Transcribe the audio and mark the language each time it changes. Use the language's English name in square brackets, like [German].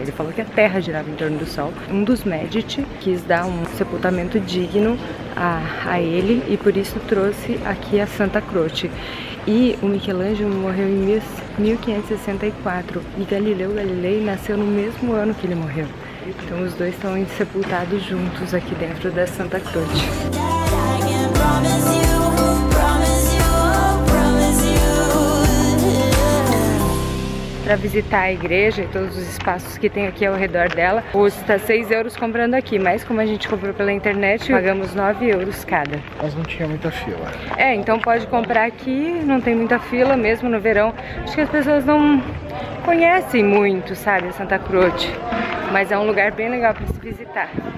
[Portuguese] Ele falou que a Terra girava em torno do Sol. Um dos Medici quis dar um sepultamento digno a ele e por isso trouxe aqui a Santa Croce. E o Michelangelo morreu em 1564 e Galileu Galilei nasceu no mesmo ano que ele morreu. Então os dois estão sepultados juntos aqui dentro da Santa Croce. [English] Promise you, promise you, promise you. [Portuguese] para visitar a igreja e todos os espaços que tem aqui ao redor dela, custa 6 euros comprando aqui, mas como a gente comprou pela internet, pagamos 9 euros cada. Mas não tinha muita fila. É, então pode comprar aqui, não tem muita fila mesmo no verão. Acho que as pessoas não conhecem muito, sabe, Santa Cruz, mas é um lugar bem legal para se visitar.